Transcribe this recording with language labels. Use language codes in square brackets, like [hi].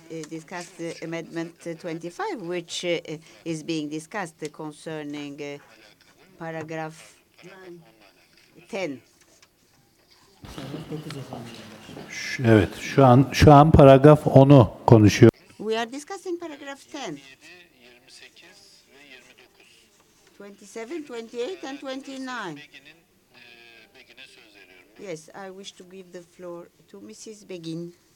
[en] discuss the amendment 25, which is being discussed concerning paragraph 10. [tr] Evet, şu an paragraf 10'u konuşuyor. [en] We are discussing paragraph 10. 27, 28 and 29. Yes, I wish to give the floor to Mrs. Begin.